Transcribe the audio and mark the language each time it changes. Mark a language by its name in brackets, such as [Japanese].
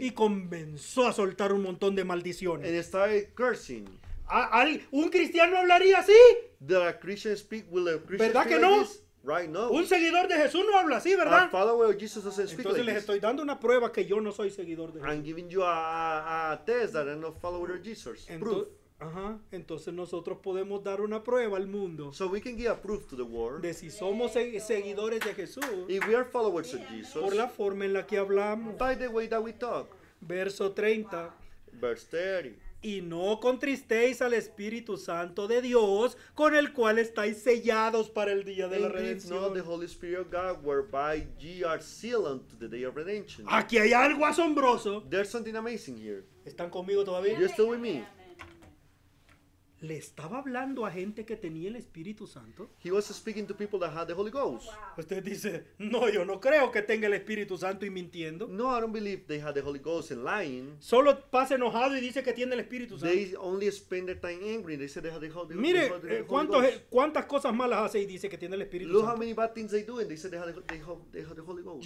[Spanish] Y comenzó a soltar un montón de maldiciones. [English] And started cursing. [Spanish] ¿Un cristiano hablaría así? [English] Did a Christian speak, will a Christian [Spanish] ¿verdad [English] speak [Spanish] que [English] like [Spanish] no? [English] This? Right, no. [Spanish] Un seguidor de Jesús no habla así, ¿verdad? [English] A follower of Jesus doesn't speak [Spanish] entonces [English] like [Spanish] les [English] this. [Spanish] Estoy dando una prueba que yo no soy seguidor de Jesús. [English] I'm giving you a test that I'm not a follower of Jesus. Proof. [Spanish] Ajá. Entonces nosotros podemos dar una prueba al mundo. [English] So we can give a proof to the world. [Spanish] De si somos seguidores de Jesús. [English] If we are followers of Jesus. [Spanish] Por la forma en la que hablamos. [English] By the way that we talk. [Spanish] Verso 30. [English] Wow. Verse 30. [Spanish] Y no contristéis al Espíritu Santo de Dios, con el cual estáis sellados para el día de la redención. [English] Not the Holy Spirit of God, whereby ye are sealed unto the day of redemption. [Spanish] Aquí hay algo asombroso. [English] There's something amazing here. [Spanish] ¿Están conmigo todavía? [English] You're still with me. [Spanish] Le estaba hablando a gente que tenía el Espíritu Santo. [English] He was speaking to people that had the Holy Ghost. Wow. [Spanish] Usted dice, no, yo no creo que tenga el Espíritu Santo y mintiendo. [English] No, I don't believe they had the Holy Ghost and lying. [Spanish] Solo pasa enojado y dice que tiene el Espíritu Santo. [English] They only spend their time angry. They said they had the Holy Ghost. [Spanish] Mire, ¿cuántas cosas malas hace y dice que tiene el Espíritu [English] Look [Spanish] Santo? [English] Look how many bad things they do and they said they had the Holy Ghost.